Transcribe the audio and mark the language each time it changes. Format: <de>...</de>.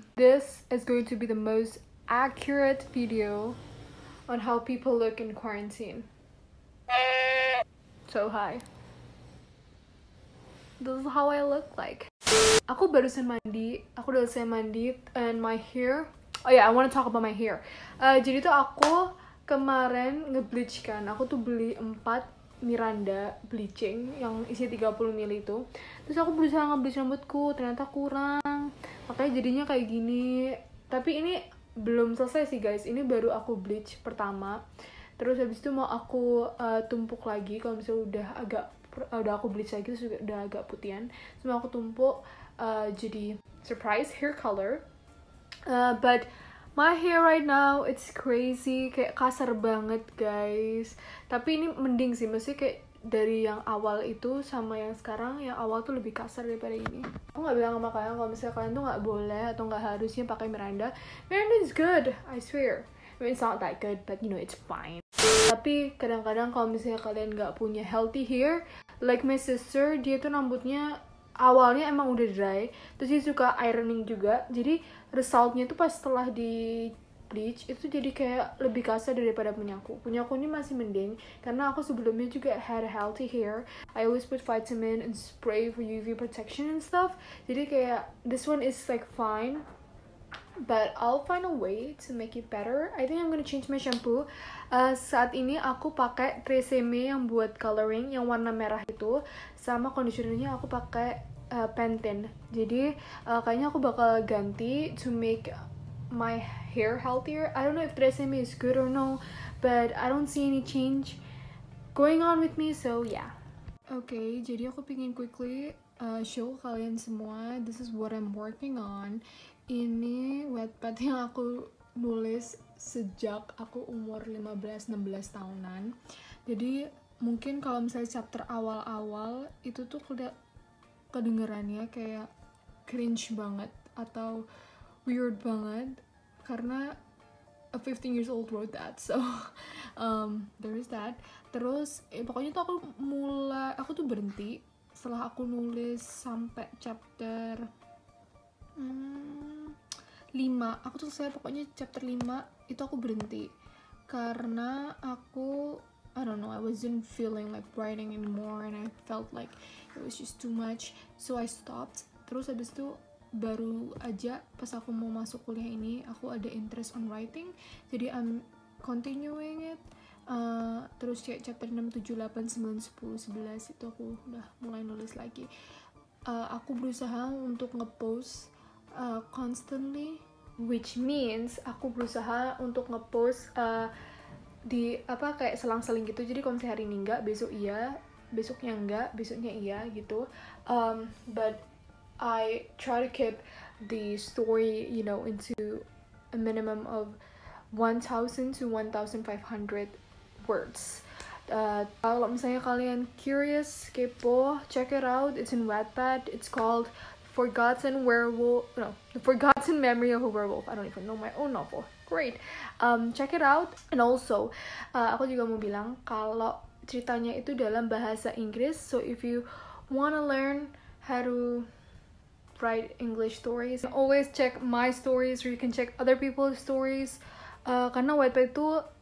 <en>This is going to be the most accurate video on how people look in quarantine. So hi. This is how I look like.</en> <id>Aku barusan mandi, aku udah selesai mandi,</id> <en>and my hair. Oh yeah, I want to talk about my hair.</en> <id>Jadi tuh aku kemarin nge-bleach kan. Aku tuh beli 4 Miranda bleaching yang isi 30 ml itu. Terus aku berusaha nge-bleach rambutku, ternyata kurang. Makanya jadinya kayak gini. Tapi ini belum selesai sih, guys. Ini baru aku bleach pertama. Terus habis itu mau aku tumpuk lagi kalau misalnya udah aku bleach lagi terus udah agak putihan. Semua aku tumpuk jadi surprise hair color.</id> <en>But my hair right now it's crazy,</en> <id>kayak kasar banget, guys. Tapi ini mending sih, maksudnya kayak dari yang awal itu sama yang sekarang, yang awal tuh lebih kasar daripada ini. Aku gak bilang sama kalian kalau misalnya kalian tuh gak boleh atau gak harusnya pakai Miranda.</id> <en>Miranda is good, I swear. I mean, it's not that good, but you know, it's fine.</en> <id>Tapi kadang-kadang kalau misalnya kalian gak punya</id> <en>healthy hair, like my sister,</en> <id>dia tuh rambutnya awalnya emang udah dry, terus dia suka ironing juga, jadi resultnya tuh pas setelah di bleach, itu jadi kayak lebih kasar daripada punyaku. Punyaku ini masih mending, karena aku sebelumnya juga</id> <en>had healthy hair. I always put vitamin and spray for UV protection and stuff.</en> <id>Jadi kayak,</id> <en>this one is like fine. But I'll find a way to make it better. I think I'm gonna change my shampoo.</en> <id>Saat ini aku pakai Tresemme yang buat coloring, yang warna merah itu. Sama conditionernya aku pakai Pantene. Jadi kayaknya aku bakal ganti</id> <en>to make my hair healthier. I don't know if Tresemme is good or no, but I don't see any change going on with me, so yeah.</en> <id>Okay, jadi aku pengen</id> <en>quickly show</en> <id>kalian semua.</id> <en>This is what I'm working on.</en> <id>Ini Wattpad yang aku nulis sejak aku umur 15-16 tahunan. Jadi mungkin kalau misalnya chapter awal-awal itu tuh kedengerannya kayak cringe banget atau weird banget, karena</id> <en>a 15 years old wrote that, so there is that.</en> <id>Terus pokoknya tuh aku tuh berhenti setelah aku nulis sampai chapter 5, aku tuh selesai pokoknya chapter 5, itu aku berhenti. Karena aku,</id> <en>I don't know, I wasn't feeling like writing anymore and I felt like it was just too much. So I stopped.</en> <id>Terus abis itu baru aja pas aku mau masuk kuliah ini, aku ada interest on writing. Jadi</id> <en>I'm continuing it.</en> <id>Terus kayak chapter 6, 7, 8, 9, 10, 11, itu aku udah mulai nulis lagi. Aku berusaha untuk nge-post constantly, which means aku berusaha untuk ngepost di apa kayak selang-seling gitu. Jadi kalau misalnya hari ini enggak, besok iya, besoknya enggak, besoknya iya gitu.</id> <en>But I try to keep the story, you know, into a minimum of 1,000 to 1,500 words.</en> <id>Kalau misalnya kalian</id> <en>curious, kepo, check it out. It's in Wattpad. It's called The Forgotten Memory of a Werewolf. I don't even know my own novel. Great. Check it out. And also,</en> <id>aku juga mau bilang kalau ceritanya itu dalam bahasa Inggris.</id> <en>So if you wanna learn how to write English stories, always check my stories or you can check other people's stories.</en> <id>Karena Wattpad itu</id>